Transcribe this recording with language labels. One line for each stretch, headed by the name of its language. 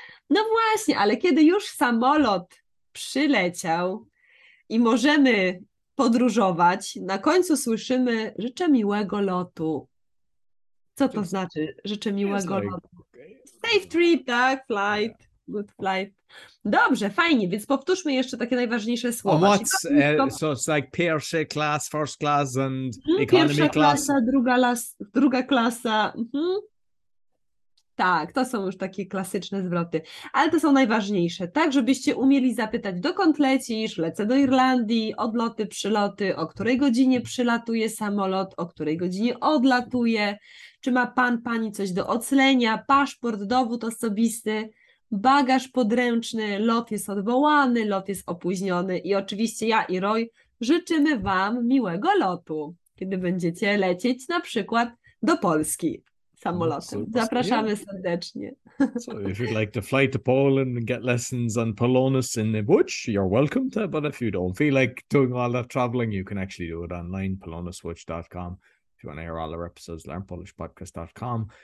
Polish: No właśnie, ale kiedy już samolot przyleciał i możemy podróżować, na końcu słyszymy życzę miłego lotu. Co to znaczy? Życzę miłego lotu.
English: Safe trip,
Polish: tak? Flight.
English: Good flight.
Polish: Dobrze, fajnie, więc powtórzmy jeszcze takie najważniejsze słowa.
English: So it's like pierwsze class, first class and economy
Polish: pierwsza
English: class.
Polish: Klasa, druga klasa. Mhm. Tak, to są już takie klasyczne zwroty, ale to są najważniejsze, tak, żebyście umieli zapytać, dokąd lecisz, lecę do Irlandii, odloty, przyloty, o której godzinie przylatuje samolot, o której godzinie odlatuje, czy ma pan, pani coś do oclenia, paszport, dowód osobisty, bagaż podręczny, lot jest odwołany, lot jest opóźniony i oczywiście ja i Roy życzymy wam miłego lotu, kiedy będziecie lecieć na przykład do Polski. Samolotem. Zapraszamy serdecznie.
English: So if you'd like to fly to Poland and get lessons on Polonus in the Watch, you're welcome to, but if you don't feel like doing all that traveling, you can actually do it online, polonuswatch.com. If you want to hear all our episodes, learnpolishpodcast.com.